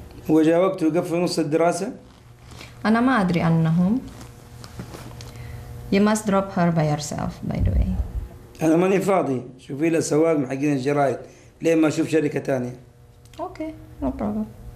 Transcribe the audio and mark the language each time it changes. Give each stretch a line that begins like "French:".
Arabic: هو جاء وقت وقف في نص الدراسة؟ أنا ما أدري عنهم.
English: You must drop her by yourself by the way.
Arabic: أنا ماني فاضي. شوفي لها سواق محقين الجرايد. ليه ما أشوف شركة تانية؟
English: Okay, no problem.